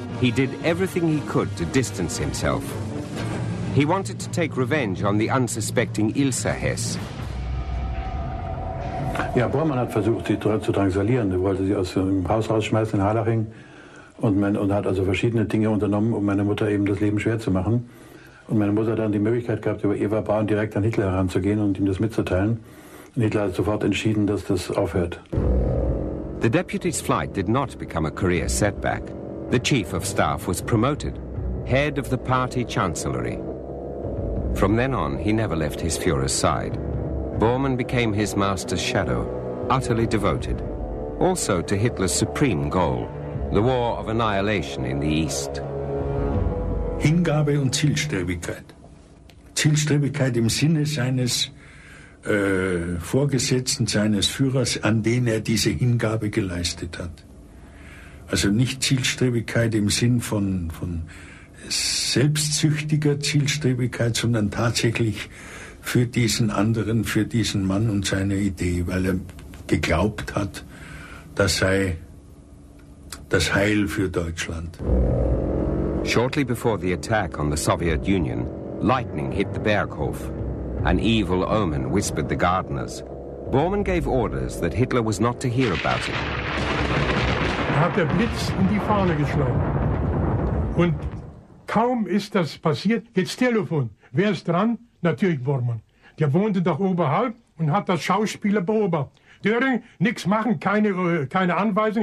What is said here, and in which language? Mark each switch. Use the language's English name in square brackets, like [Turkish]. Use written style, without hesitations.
[English] He did everything he could to distance himself. He wanted to take revenge on the unsuspecting Ilse Hess. [German] Ja, Bormann hat versucht, sie zu drangsalieren. Er wollte sie aus dem Haus rausschmeißen in Harlaching und hat also verschiedene Dinge unternommen, um meiner Mutter eben das Leben schwer zu machen. Und meine Mutter hat dann die Möglichkeit gehabt, über Eva Braun direkt an Hitler heranzugehen und ihm das mitzuteilen. Und Hitler hat sofort entschieden, dass das aufhört. [English] The deputy's flight did not become a career setback. The chief of staff was promoted, head of the party chancellery. From then on, he never left his Führer's side. Bormann became his master's shadow, utterly devoted. Also to Hitler's supreme goal, the war of annihilation in the East. [German] Hingabe und Zielstrebigkeit. Zielstrebigkeit im Sinne seines Vorgesetzten, seines Führers, an den er diese Hingabe geleistet hat. Also nicht Zielstrebigkeit im Sinn von selbstsüchtiger Zielstrebigkeit, sondern tatsächlich für diesen anderen, für diesen Mann und seine Idee, weil er geglaubt hat, das sei das Heil für Deutschland. [English] Shortly before the attack on the Soviet Union, lightning hit the Berghof. An evil omen whispered the gardeners. Bormann gave orders that Hitler was not to hear about it. [German] Da hat der Blitz in die Fahne geschlagen. Und Kaum ist das passiert, geht's Telefon. Wer ist dran? Natürlich Bormann. Der wohnte doch oberhalb und hat das Schauspieler beobachtet. Döring, nichts machen, keine Anweisung.